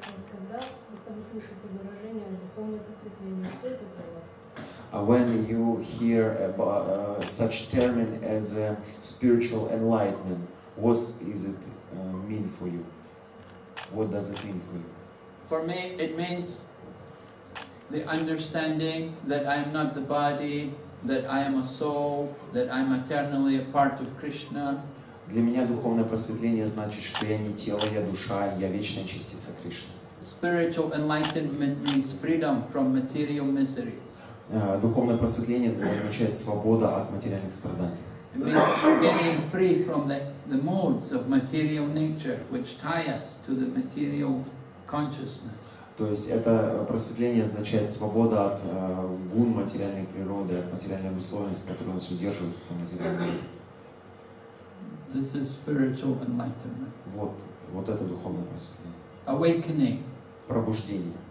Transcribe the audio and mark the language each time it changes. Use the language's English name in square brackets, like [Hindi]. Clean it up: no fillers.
[Russian] Когда вы слышите выражение «духовное просветление», что это для вас? [English] When you hear about such termin as spiritual enlightenment, what is it mean for you? What does it mean for you? For me, it means the understanding that I am not the body, that I am a soul, that I am eternally a part of Krishna. [Russian] Для меня духовное просветление значит, что я не тело, я душа, я вечная частица Кришны. [English] Spiritual enlightenment means freedom from material miseries. [Russian] Духовное просветление означает свобода от материальных страданий. [English] It means getting free from the modes of material nature, which tie us to the material consciousness. [Russian] То есть это просветление означает свобода от гун материальной природы, от материальной обусловленности, которая нас удерживает в этом материальном мире. [English] This is spiritual enlightenment. [Russian] Вот это духовное просветление. [English] Awakening. [Russian] Пробуждение.